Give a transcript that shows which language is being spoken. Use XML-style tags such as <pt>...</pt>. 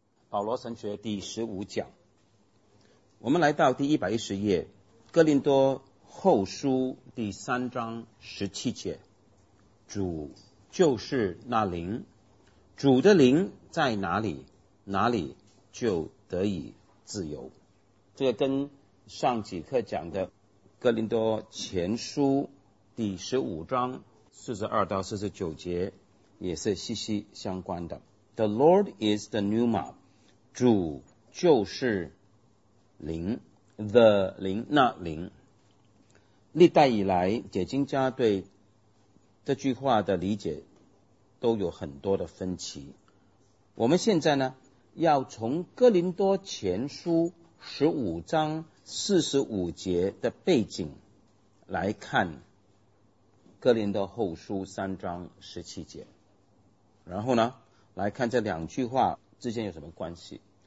<zh>保罗神学第十五讲，我们来到第110页，哥林多后书第三章17节，主就是那灵，主的灵在哪里，哪里就得以自由。这个跟上几课讲的哥林多前书第15章42-49节也是息息相关的。</zh> <en>The Lord is the pneuma，</en> <zh>主就是灵，</zh> <en>the</en> <zh>灵，那灵。历代以来解经家对这句话的理解都有很多的分歧，我们现在呢要从哥林多前书15章45节的背景来看哥林多后书3章17节，然后呢来看这两句话之间有什么关系。</zh>